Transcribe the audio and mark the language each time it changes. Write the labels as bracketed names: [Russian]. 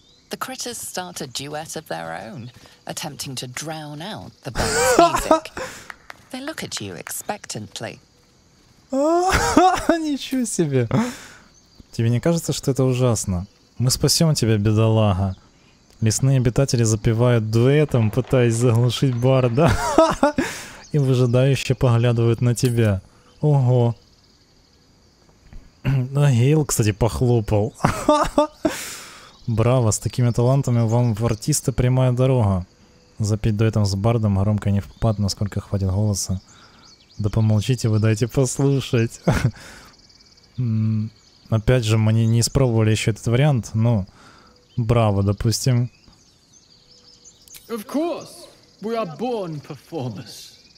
[English] The critters start a duet of their own, attempting to drown out the bird's music. They look at you expectantly. [Russian] Ничего себе! Тебе не кажется, что это ужасно? Мы спасем тебя, бедолага. Лесные обитатели запевают дуэтом, пытаясь заглушить барда, и выжидающе поглядывают на тебя. Ого! А Гейл, кстати, похлопал. Браво, с такими талантами вам в артисты прямая дорога. Запеть дуэтом с бардом громко не впад, насколько хватит голоса. Да помолчите вы, дайте послушать. Опять же, мы не испробовали еще этот вариант, но... Браво, допустим. [English] Of course, we are born performers.